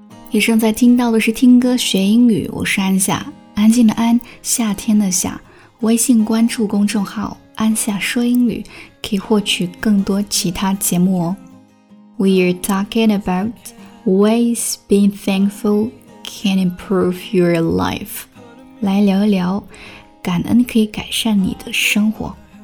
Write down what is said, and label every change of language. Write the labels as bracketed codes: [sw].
[zh] 以上在听到的是听歌学英语，我是安夏，安静的安，夏天的夏。微信关注公众号安夏说英语，可以获取更多其他节目哦。 [en] We're talking about ways being thankful can improve your life. [zh] 来聊一聊，感恩可以改善你的生活。